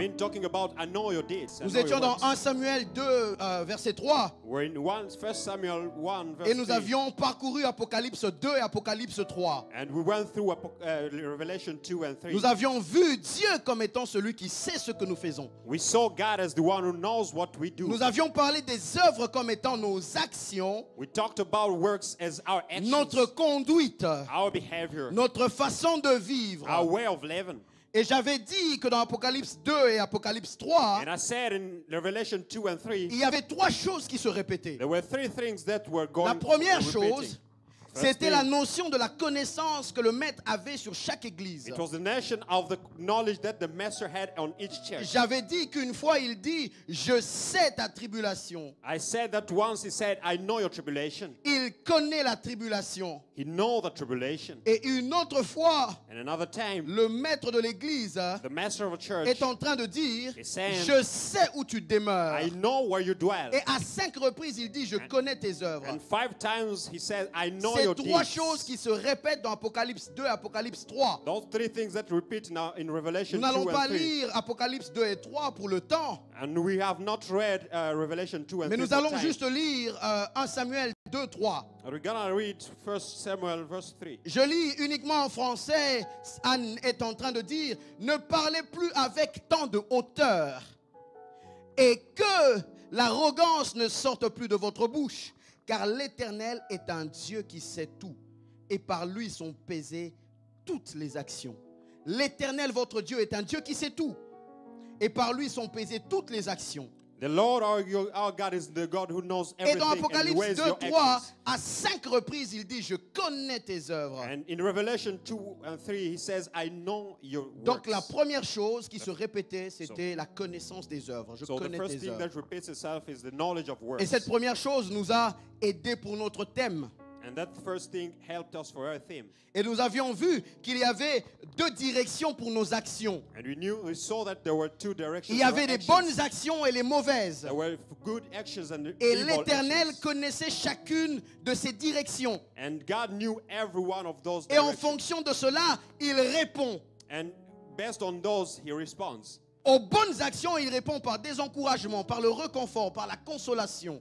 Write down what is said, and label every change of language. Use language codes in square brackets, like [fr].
[fr] Nous étions dans 1 Samuel 2, verset 3, [en] we're in 1 Samuel 1, verse [fr] et nous [en] 3. [fr] Avions parcouru Apocalypse 2 et Apocalypse 3. [en] And we went through Revelation 2 and 3. [fr] Nous avions vu Dieu comme étant celui qui sait ce que nous faisons. [en] We saw God as the one who knows what we do. [fr] Nous avions parlé des œuvres comme étant nos actions, [en] we talked about works as our actions. [fr] Notre conduite, [en] our behavior, [fr] notre façon de vivre, [en] our way of living. [fr] Et j'avais dit que dans Apocalypse 2 et Apocalypse 3, [en] and I said in Revelation 2 and 3, [fr] il y avait trois choses qui se répétaient. [en] There were three things that were going. [fr] La première chose, c'était la notion de la connaissance que le maître avait sur chaque église. [en] It was the notion of the knowledge that the master had on each church. [fr] J'avais dit qu'une fois il dit, je sais ta tribulation. [en] I said that once he said, I know your tribulation. [fr] Il connaît la tribulation. [en] He know the tribulation. [fr] Et une autre fois, [en] and another time, [fr] le maître de l'église, [en] the master of a church, [fr] est en train de dire, [en] saying, [fr] je sais où tu demeures. [en] I know where you dwell. [fr] Et à cinq reprises il dit, je connais tes œuvres. [en] And five times he said, I know. [fr] C'est trois choses qui se répètent dans Apocalypse 2 et Apocalypse 3. [en] Those three things that repeat now in Revelation 2 and 3. [fr] Nous n'allons pas lire Apocalypse 2 et 3 pour le temps. [en] And we have not read Revelation 2 and 3. [fr] Mais nous allons juste lire 1 Samuel 2, 3. [en] We're going to read 1 Samuel verse 3. [fr] Je lis uniquement en français. Anne est en train de dire, ne parlez plus avec tant de hauteur et que l'arrogance ne sorte plus de votre bouche. Car l'Éternel est un Dieu qui sait tout, et par lui sont pesées toutes les actions. L'Éternel, votre Dieu, est un Dieu qui sait tout, et par lui sont pesées toutes les actions. [en] The Lord, our God, is the God who knows everything. [fr] Et dans Apocalypse 2, 3, à cinq reprises, il dit, je connais tes œuvres. [en] And in Revelation 2 and 3, he says, I know your works. [fr] Donc la première chose qui se répétait, c'était la connaissance des œuvres. Je connais tes œuvres. [en] So the first thing that repeats itself is the knowledge of works. [fr] Et cette première chose nous a aidé pour notre thème. [en] And that first thing helped us for our theme. [fr] Et nous avions vu qu'il y avait deux directions pour nos actions. [en] And we saw that there were two directions. [fr] Il y avait les bonnes actions et les mauvaises. [en] There were good actions and [fr] et l'Éternel connaissait chacune de ces directions. [en] And God knew every one of those [fr] directions. Et en fonction de cela, il répond. [en] And based on those, he responds. [fr] Aux bonnes actions, il répond par des encouragements, par le réconfort, par la consolation.